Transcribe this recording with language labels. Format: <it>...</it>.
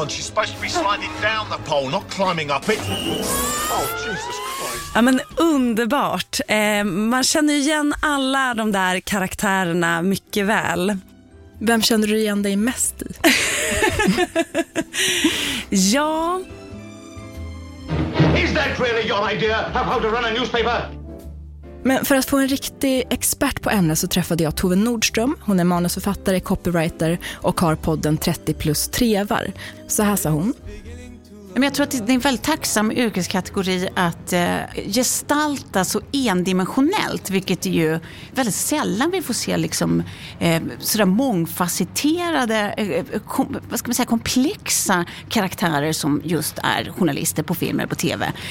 <en>She's supposed to be sliding down the pole, not climbing up it. Oh, Jesus Christ.</en> <sv>Ja, men underbart. Man känner ju igen alla de där karaktärerna mycket väl. Vem känner du igen dig mest i? Ja.</sv> <en>Is that really your idea of how to run a newspaper?</en> <sv>Men för att få en riktig expert på ämnet så träffade jag Tove Nordström. Hon är manusförfattare, copywriter och har podden 30 plus trevar. Så här sa hon. Men jag tror att det är en väldigt tacksam yrkeskategori att gestalta så endimensionellt, vilket är ju väldigt sällan vi får se liksom, sådär mångfacetterade, vad ska man säga, komplexa karaktärer som just är journalister på filmer på tv.</sv>